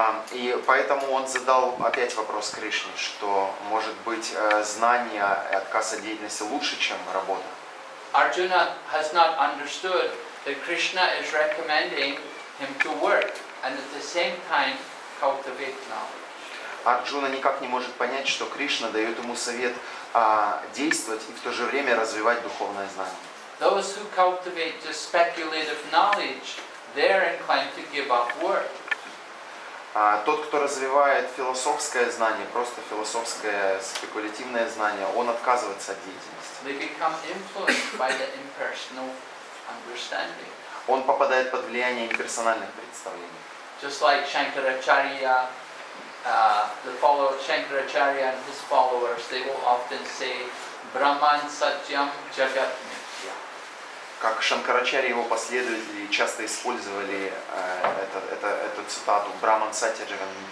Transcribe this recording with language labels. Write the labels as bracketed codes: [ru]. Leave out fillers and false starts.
[ru] И поэтому он задал опять вопрос Кришне, что может быть знание и отказ от деятельности лучше, чем работа. [en] Arjuna has not understood that Krishna is recommending him to work and at the same time cultivate knowledge. [ru] Арджуна никак не может понять, что Кришна дает ему совет действовать и в то же время развивать духовное знание. [en] Those who cultivate just speculative knowledge, they're inclined to give up work. [ru] Тот, кто развивает философское знание, просто философское спекулятивное знание, он отказывается от деятельности. [en] They become influenced by the impersonal understanding. [ru] Он попадает под влияние имперсональных представлений. [en] Just like Shankaracharya, the follower Shankaracharya and his followers, they will often say, [sa] Brahman Satyam Jagat Mithya. [ru] Как Шанкарачари и его последователи часто использовали эту цитату [sa] Браман Сатья Джаган